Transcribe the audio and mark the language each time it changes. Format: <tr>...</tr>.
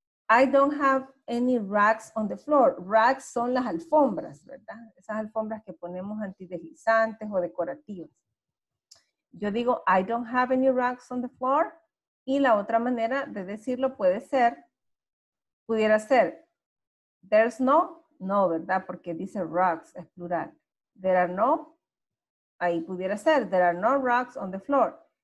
<en>I don't have any rugs on the floor. Rugs</en> <es>son las alfombras, ¿verdad? Esas alfombras que ponemos antideslizantes o decorativas. Yo digo,</es> <en>I don't have any rugs on the floor.</en> <es>Y la otra manera de decirlo puede ser, pudiera ser,</es> <en>there's no, no,</en> <es>¿verdad? Porque dice rugs, es plural.</es> <en>There are no,</en> <es>ahí pudiera ser,</es> <en>there are no rugs on the floor.</en>